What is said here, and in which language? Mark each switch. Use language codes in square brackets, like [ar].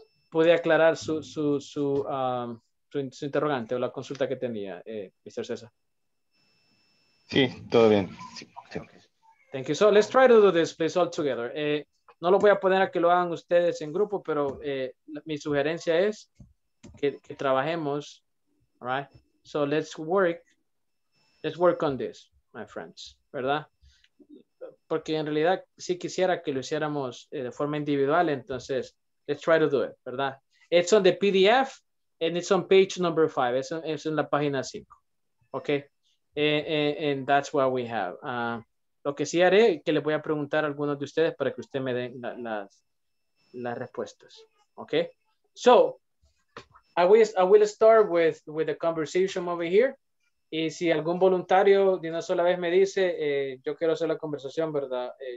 [es] ¿Puede aclarar su interrogante o la consulta que tenía, Mr. César? Sí, todo bien. Sí, [en] okay. Thank you. So let's try to do this, please, all together. [es] No lo voy a poner a que lo hagan ustedes en grupo, pero mi sugerencia es que trabajemos. [en] All right? So let's work on this, my friends, ¿verdad? [es] Porque en realidad sí quisiera que lo hiciéramos de forma individual, entonces... [en] Let's try to do it, ¿verdad? It's on the PDF and it's on page number 5. [es] Es en la página 5. ¿Ok? [en] And that's what we have. [es] Lo que sí haré es que le voy a preguntar a algunos de ustedes para que usted me den las respuestas. ¿Ok? [en] So, I will start with the conversation over here. [es] Y si algún voluntario de una sola vez me dice, yo quiero hacer la conversación, ¿verdad?